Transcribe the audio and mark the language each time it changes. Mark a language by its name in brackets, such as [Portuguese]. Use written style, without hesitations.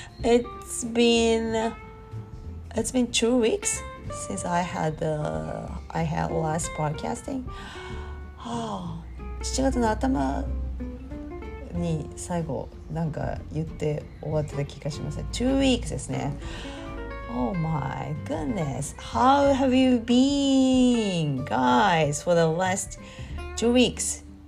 [English] It's been 2 weeks since I had last podcasting. [Japanese] 7月の頭に最後なんか言って終わってた気がしません。 [English] 2 weeks [Japanese] ですね。 [English] Oh my goodness. How have you been, guys, for the last 2 weeks?